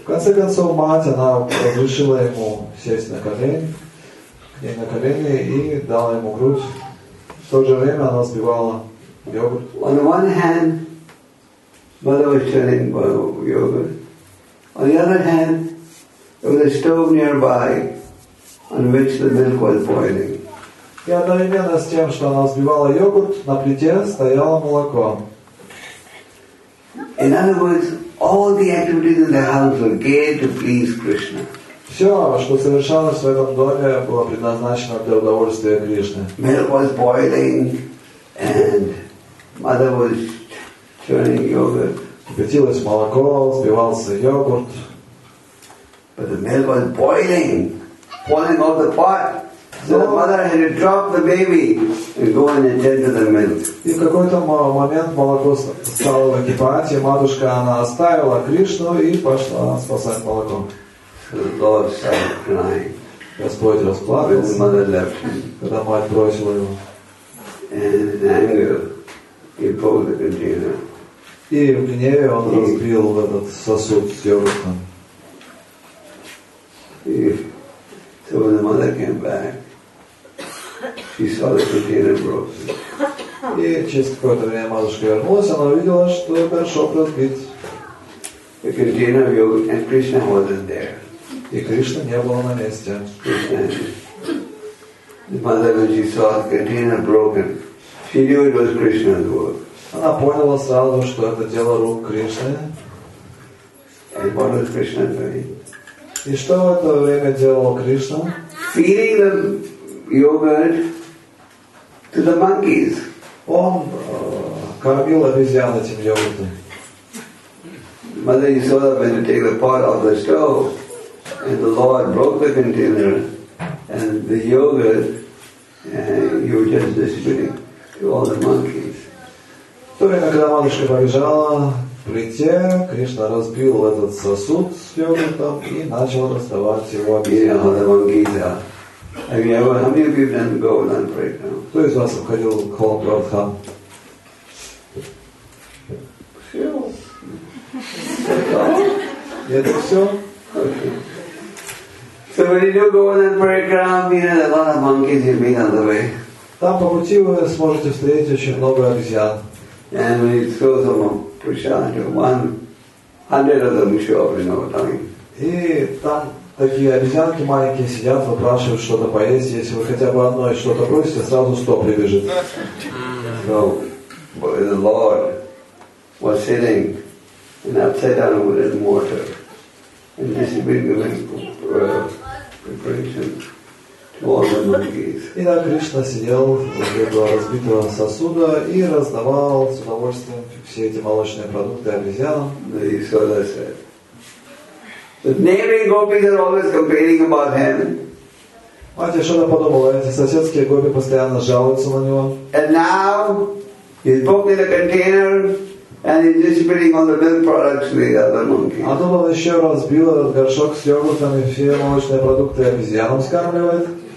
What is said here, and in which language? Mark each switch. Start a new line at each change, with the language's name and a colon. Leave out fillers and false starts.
Russian: В конце концов, мать, она разрешила ему сесть на колени, и дала ему грудь. В то же время она взбивала йогурт.
English: On one hand, mother was churning yogurt. On the other hand, there was a stove nearby on which the milk was boiling.
Russian: И одновременно с тем, что она взбивала йогурт, на плите стояло молоко.
English: In other words, all the activities in the house were geared to please Krishna.
Russian: Все, что совершалось в этом доме, было предназначено для удовольствия Кришны.
English: Milk was boiling, and mother was churning yogurt.
Russian: Кипятилось молоко, взбивался йогурт.
English: But the milk was boiling, falling off the pot. So the mother had to drop the baby and go and attend to the milk.
Russian: И в какой-то момент молоко стало выкипать, и матушка она оставила Кришну и пошла спасать молоко.
English: Lord started crying.
Russian: Господь расплакался.
English: Mother left him.
Russian: Когда мать бросила его.
English: And in anger, he broke the container.
Russian: И в гневе он разбил этот сосуд с йогуртом.
English: So when the mother came back, she saw the container broken.
Russian: И через какое-то время матушка вернулась, она увидела, что горшок разбит.
English: The container of yogurt and Krishna wasn't there.
Russian: И Кришна не было на месте.
English: The mother, when she saw the container broken, she knew it was Krishna's work.
Russian: Она поняла сразу, что это дело рук Кришны.
English: And what was Krishna doing?
Russian: И что в это время делал Кришна?
English: Feeding the yogurt to the monkeys.
Russian: Он кормил обезьян этим йогуртом.
English: Mother, you saw that when you take the pot off the stove, and the Lord broke the container, and the yogurt, you were just distributing to all the monkeys.
Russian: В то время, когда матушка побежала, прийти, Кришна разбил этот сосуд с йогуртом и начал расставать его обезьянам. Кто из вас входил в холм Радха? Все. Это все?
English: So when you do Govardhan Parikram, you know, a lot of monkeys you meet on the way.
Russian: Там по пути вы сможете встретить очень много обезьян.
English: And when you throw them on Prasad, 100 of them show up in no time.
Russian: И там такие обезьянки маленькие сидят, выпрашивают что-то поесть. Если вы хотя бы одно и что-то просите, сразу 100 прибежит.
English: So, but the Lord was sitting in an upside down wooden mortar. And distributing the preparation to all the monkeys.
Russian: И Кришна сидел возле разбитого сосуда и раздавал с удовольствием все эти молочные продукты обезьянам.
English: The Yashoda said, "The neighboring gopis are always complaining about him."
Russian: Мать Яшода подумала, эти соседские гопи постоянно жалуются на него.
English: And now he's broken the container. And he's distributing all the milk products to the other monkeys.
Russian: А то он еще разбил этот горшок с йогуртом и все молочные продукты обезьянам скармливает.